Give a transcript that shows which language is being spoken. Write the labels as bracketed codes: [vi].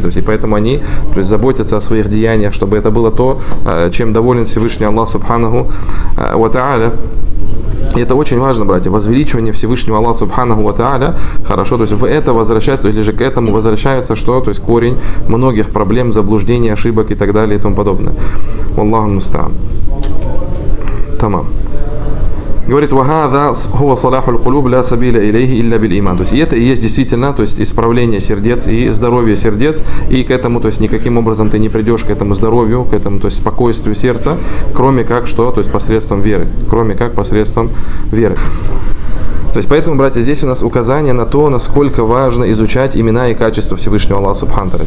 [ru] То есть и поэтому они, то есть заботятся о своих деяниях, чтобы это было то, чем доволен Всевышний Аллах Субханаху ва Тааля. И это очень важно, братья, возвеличивание Всевышнего Аллаха Субханаху ва Тааля, хорошо, то есть в это возвращается, или же к этому возвращается, что, то есть корень многих проблем, заблуждений, ошибок и так далее и тому подобное. Валлаху мустаан. Тамам. Говорит, [ar] وَهَذَا هُوَ صَلَاحُ الْقُلُوبُ لَا سَبِيلَ إِلَيْهِ إِلَّا بِالْإِيمَانِ. [ru] То есть, и это и есть действительно, то есть, исправление сердец и здоровье сердец, и к этому, то есть, никаким образом ты не придешь к этому здоровью, к этому, то есть, спокойствию сердца, кроме как что, то есть, посредством веры, кроме как посредством веры. То есть, поэтому, братья, здесь у нас указание на то, насколько важно изучать имена и качества Всевышнего Аллаха Субхантара.